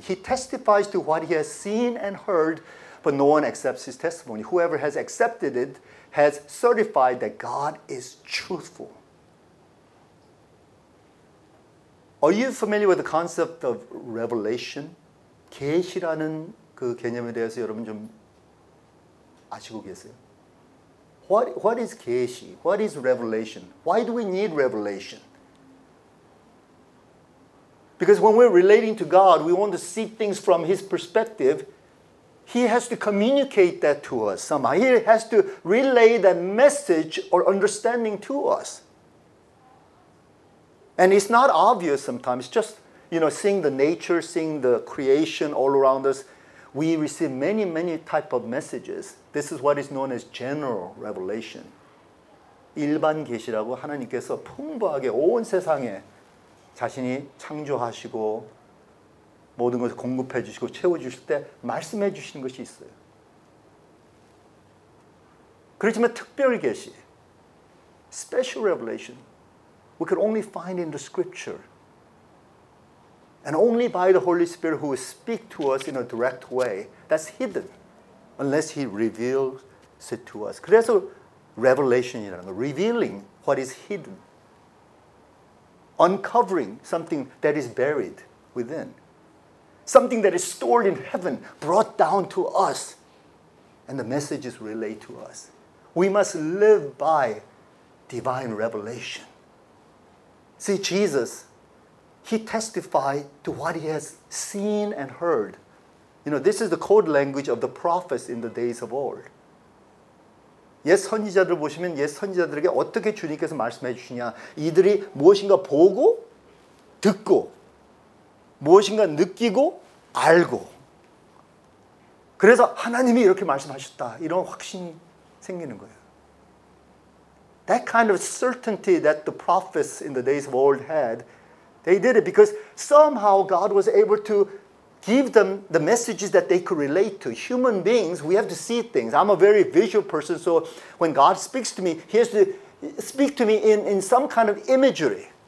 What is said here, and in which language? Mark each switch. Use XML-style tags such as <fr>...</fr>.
<en>He testifies to what he has seen and heard, but no one accepts his testimony. Whoever has accepted it has certified that God is truthful. Are you familiar with the concept of revelation?</en> <ko>계시라는 그 개념에 대해서 여러분 좀 아시고 계세요?</ko> <en>What is 계시? What is revelation? Why do we need revelation? Because when we're relating to God, we want to see things from His perspective. He has to communicate that to us somehow. He has to relay that message or understanding to us. And it's not obvious sometimes. Just, you know, seeing the nature, seeing the creation all around us, we receive many, many type of messages. This is what is known as general revelation.</en> <ko>일반 계시라고 하나님께서 풍부하게 온 세상에 자신이 창조하시고 모든 것을 공급해 주시고 채워 주실 때 말씀해 주시는 것이 있어요. 그렇지만 특별 계시,</ko> <en>special revelation, we can only find in the scripture. And only by the Holy Spirit who will speak to us in a direct way, that's hidden, unless He reveals it to us.</en> <ko>그래서 revelation이라는 거,</ko> <en>revealing what is hidden, uncovering something that is buried within, something that is stored in heaven, brought down to us, and the messages relay to us. We must live by divine revelation. See, Jesus, He testified to what He has seen and heard. You know, this is the code language of the prophets in the days of old.</en> <ko>옛 선지자들 보시면 옛 선지자들에게 어떻게 주님께서 말씀해 주시냐. 이들이 무엇인가 보고 듣고 무엇인가 느끼고 알고 그래서 하나님이 이렇게 말씀하셨다 이런 확신이 생기는 거예요.</ko> <en>That kind of certainty that the prophets in the days of old had, they did it because somehow God was able to give them the messages that they could relate to. Human beings, we have to see things. I'm a very visual person, so when God speaks to me, he has to speak to me in some kind of imagery.</en>